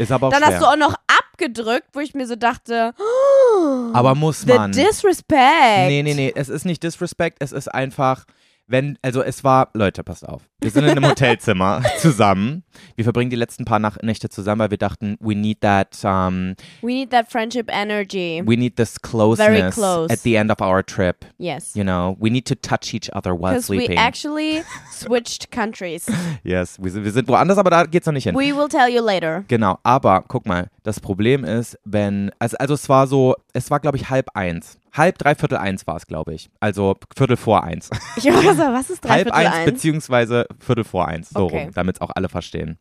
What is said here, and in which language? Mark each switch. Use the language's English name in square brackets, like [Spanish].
[German] Ist aber auch dann schwer. Hast du auch noch abgedrückt, wo ich mir so dachte, aber muss man. [English] The disrespect. [German] Nee, es ist nicht disrespect, es ist einfach, Leute, passt auf. Wir sind in einem Hotelzimmer zusammen. Wir verbringen die letzten paar Nächte zusammen, weil wir dachten, [English] we need that friendship energy. We need this closeness. Very close. At the end of our trip. Yes. You know, we need to touch each other while sleeping. Because we actually switched countries. [German] Yes, wir sind woanders, aber da geht's noch nicht hin. [English] We will tell you later. [German] Genau, aber guck mal, das Problem ist, wenn, also es war so, es war glaube ich 12:30. Halb, dreiviertel eins war es, glaube ich. Also viertel vor eins. Ich war so, was ist dreiviertel eins? Halb eins beziehungsweise viertel vor eins, so okay. Rum, damit es auch alle verstehen.